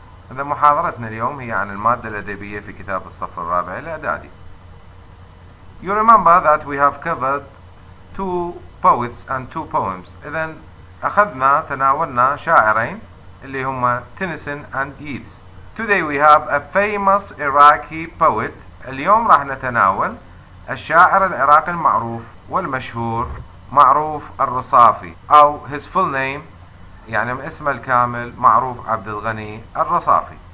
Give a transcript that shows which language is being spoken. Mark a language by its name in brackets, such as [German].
[Arabic] إذا محاضرتنا اليوم هي عن المادة الأدبية في كتاب الصف الرابع الإعدادي. [English] You remember that we have covered two poets and two poems. [Arabic] إذا أخذنا تناولنا شاعرين اللي هما تينيسون and ييتس. [English] Today we have a famous Iraqi poet. [Arabic] اليوم راح نتناول الشاعر العراقي المعروف والمشهور معروف الرصافي أو [English] his full name [Arabic] يعني اسمه الكامل معروف عبد الغني الرصافي.